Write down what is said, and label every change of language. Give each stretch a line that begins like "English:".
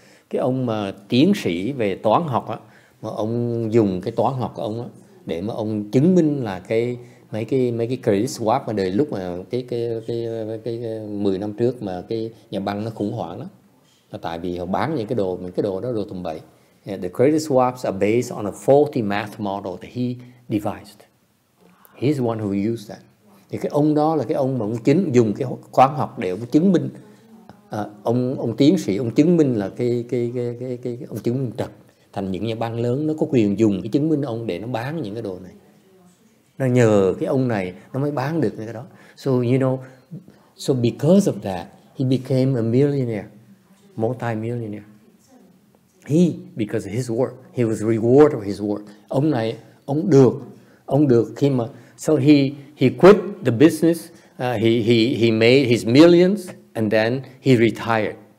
Vietnamese: cái ông mà tiến sĩ về toán học á, mà ông dùng cái toán học của ông á để mà ông chứng minh là mấy cái credit swap mà đời lúc mà cái 10 năm trước mà cái nhà băng nó khủng hoảng đó, là tại vì họ bán những cái đồ tầm bậy.
English: Yeah, the credit swaps are based on a faulty math model that he devised. He's the one who used that.
Vietnamese: Thì cái ông đó là cái ông mà ông chính dùng cái khoa học để ông chứng minh, ông tiến sĩ ông chứng minh là cái ông chứng minh trật thành những nhà băng lớn nó có quyền dùng cái chứng minh ông để nó bán những cái đồ này. Nó nhờ cái ông này nó mới bán được cái đó.
English: So you know, so because of that, he became a millionaire, multi-millionaire. He, because of his work, he was rewarded for his work.
Vietnamese: Ông này, ông được khi mà,
English: so he quit the business, he made his millions, and then he retired.